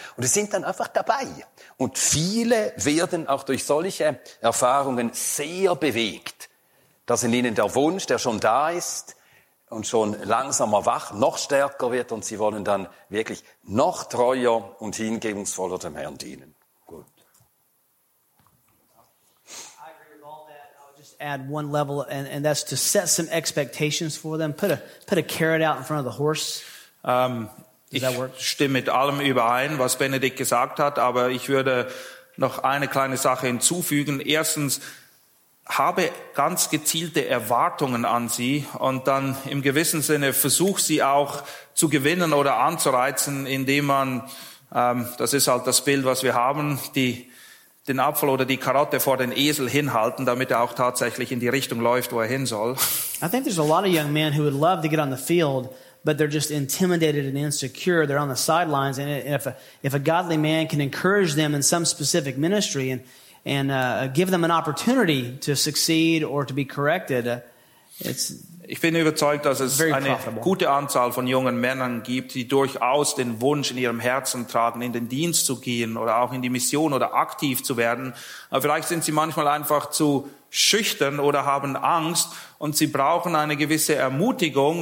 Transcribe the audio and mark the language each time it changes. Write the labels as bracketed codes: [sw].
[de] Und die sind dann einfach dabei. Und viele werden auch durch solche Erfahrungen sehr bewegt, dass in ihnen der Wunsch, der schon da ist, und schon langsamer wach, noch stärker wird und sie wollen dann wirklich noch treuer und hingebungsvoller dem Herrn dienen. Gut. [en] I agree with all that. I'll just add one level and that's to set some expectations for them. Put a carrot out in front of the horse. [de] Ich stimme mit allem überein, was Benedikt gesagt hat, aber ich würde noch eine kleine Sache hinzufügen. Erstens, habe ganz gezielte Erwartungen an sie und dann im gewissen Sinne versuch sie auch zu gewinnen oder anzureizen, indem man, das ist halt das Bild, was wir haben, den Apfel oder die Karotte vor den Esel hinhalten, damit er auch tatsächlich in die Richtung läuft, wo er hin soll. [en] I think there's a lot of young men who would love to get on the field, but they're just intimidated and insecure. They're on the sidelines, and if a godly man can encourage them in some specific ministry and give them an opportunity to succeed or to be corrected. [de] Ich bin überzeugt, dass es eine gute Anzahl von jungen Männern gibt, die durchaus den Wunsch in ihrem Herzen tragen, in den Dienst zu gehen oder auch in die Mission oder aktiv zu werden. Aber vielleicht sind sie manchmal einfach zu schüchtern oder haben Angst und sie brauchen eine gewisse Ermutigung.